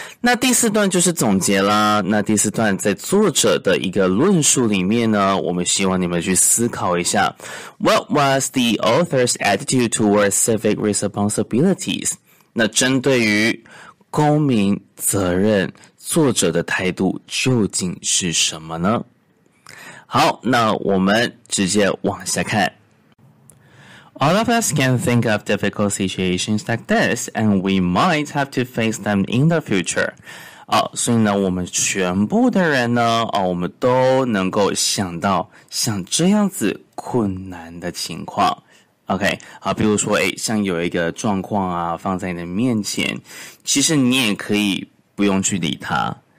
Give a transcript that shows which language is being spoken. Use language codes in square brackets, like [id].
[zh] 那第四段就是总结啦。那第四段在作者的一个论述里面呢，我们希望你们去思考一下 ， [en] What was the author's attitude towards civic responsibilities？ [zh] 那针对于公民责任，作者的态度究竟是什么呢？好，那我们直接往下看。 [en] All of us can think of difficult situations like this, and we might have to face them in the future. [zh] 所以呢，我们全部的人呢，我们都能够想到像这样子困难的情况。 OK， 好，比如说，像有一个状况啊，放在你的面前，其实你也可以不用去理它。